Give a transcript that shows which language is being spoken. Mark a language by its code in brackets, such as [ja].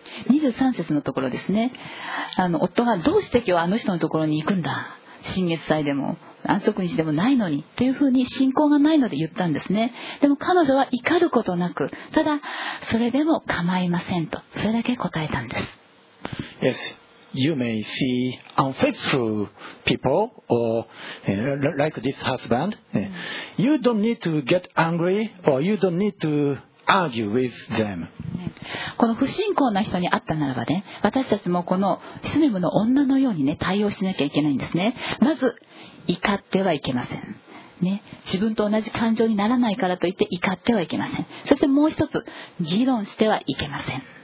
[ja] 23節のところですね、夫がどうして今日あの人のところに行くんだ、新月祭でも安息日でもないのに、というふうに信仰がないので言ったんですね。でも彼女は怒ることなく、ただそれでも構いませんと、それだけ答えたんです。 [en] Yes, you may see unfaithful people or like this husband, you don't need to get angry or you don't need to argue with them. [ja] この不信仰な人に会ったならばね、私たちもこのスネムの女のようにね、対応しなきゃいけないんですね。まず怒ってはいけませんね、自分と同じ感情にならないからといって怒ってはいけません。そしてもう一つ、議論してはいけません。